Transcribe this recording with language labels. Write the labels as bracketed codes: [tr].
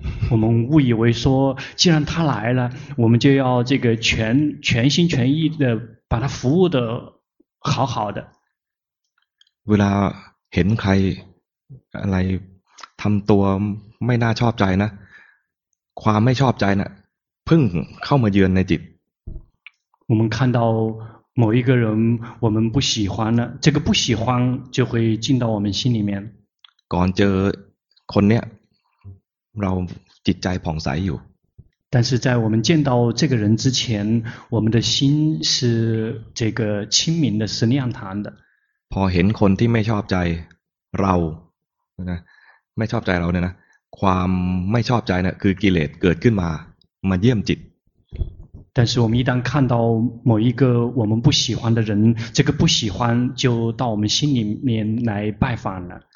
[zh] 我们误以为说既然他来了我们就要这个全心全意的把他服务的好好的 [th] เวลาเห็นใครอะไรทำตัวไม่น่าชอบใจนะความไม่ชอบใจน่ะพึ่งเข้ามาเยือนในจิต [zh] 我们看到某一个人我们不喜欢了这个不喜欢就会进到我们心里面 [th] ก่อนเจอคนเนี้ยเราจิตใจผ่องใสอยู่ [zh] 但是在我们见到这个人之前我们的心是这个清明的是亮堂的 [th] พอเห็นคนที่ไม่ชอบใจเรานะไม่ชอบใจเราเนี่ยนะความไม่ชอบใจเนี่ยคือกิเลสเกิดขึ้นมาเยี่ยมจิต [zh] 但是我们一旦看到某一个我们不喜欢的人这个不喜欢就到我们心里面来拜访了